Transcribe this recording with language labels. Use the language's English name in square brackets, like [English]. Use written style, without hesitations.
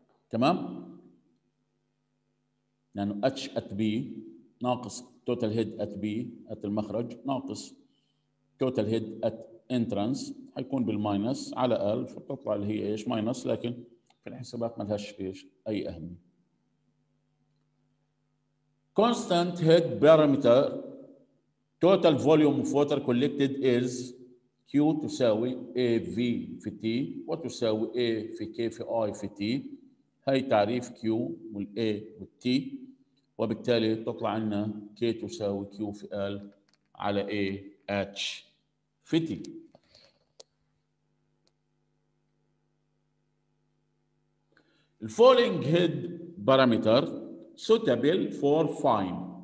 [Arabic] تمام، لانه اتش ات بي ناقص توتال هيد ات بي ات المخرج ناقص توتال هيد ات انترانس حيكون بالماينس على ال، فتطلع اللي هي ايش ماينس، لكن في الحسابات ما لهاش ايش اي اهميه. [English] constant head parameter total volume of water collected is Q [Arabic] تساوي A V في T [English] وتساوي A في K في I في T. [Arabic] هاي تعريف Q والA والT، وبالتالي تطلع عنا K تساوي Q في L على A H في T. [English] Falling head parameter suitable for fine.